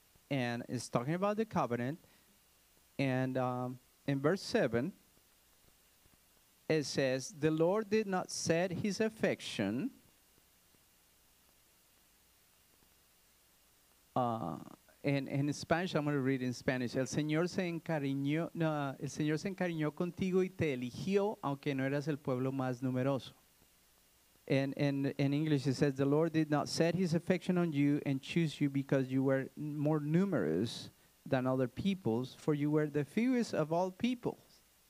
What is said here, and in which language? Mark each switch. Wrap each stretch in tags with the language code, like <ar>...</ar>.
<en>And it's talking about the covenant. And in verse 7, it says, the Lord did not set his affection in Spanish. I'm going to read in Spanish.</en> <es>El Señor se encariñó contigo y te eligió, aunque no eras el pueblo más numeroso.</es> <en>And in English it says, the Lord did not set his affection on you and choose you because you were more numerous than other peoples, for you were the fewest of all peoples.</en>